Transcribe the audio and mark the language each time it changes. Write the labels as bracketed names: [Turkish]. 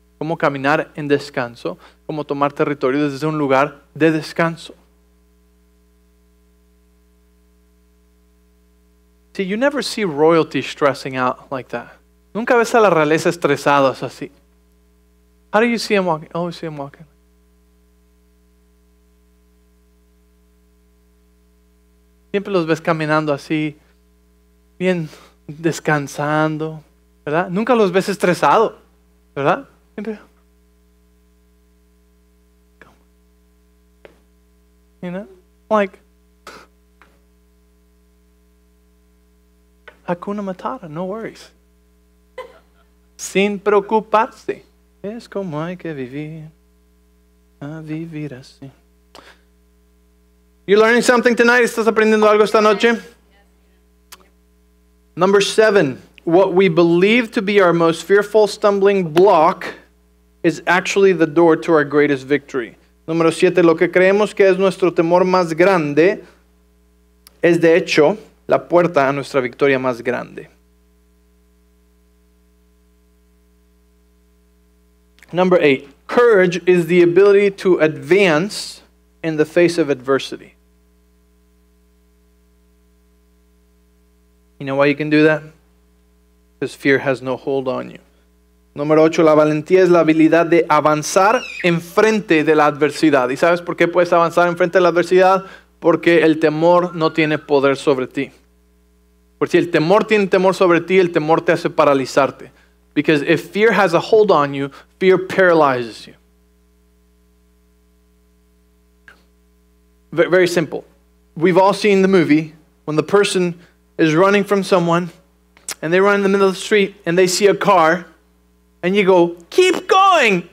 [Spanish] Cómo caminar en descanso, cómo tomar territorio desde un lugar de descanso. [English] See, you never see royalty stressing out like that. [Spanish] Nunca ves a la realeza estresados así. [English] How do you see them walking? Oh, I see them walking. [Spanish] Siempre los ves caminando así, bien descansando, ¿verdad? Nunca los ves estresado, ¿verdad? Siempre. [English] You know? Like, Hakuna Matata, no worries. [Spanish] Sin preocuparse. Es como hay que vivir, a vivir así. [English] You learning something tonight? [Spanish] ¿Estás aprendiendo algo esta noche? [English] Number 7. What we believe to be our most fearful stumbling block is actually the door to our greatest victory. [Spanish] Número 7. Lo que creemos que es nuestro temor más grande es de hecho la puerta a nuestra victoria más grande. [English] Number 8. Courage is the ability to advance in the face of adversity. You know why you can do that? Because fear has no hold on you. [Spanish] Número 8, la valentía es la habilidad de avanzar en frente de la adversidad. ¿Y sabes por qué puedes avanzar en frente de la adversidad? Porque el temor no tiene poder sobre ti. Porque si el temor tiene temor sobre ti, el temor te hace paralizarte. [English] Because if fear has a hold on you, fear paralyzes you. Very simple. We've all seen the movie when the person is running from someone, and they run in the middle of the street, and they see a car, and you go, keep going!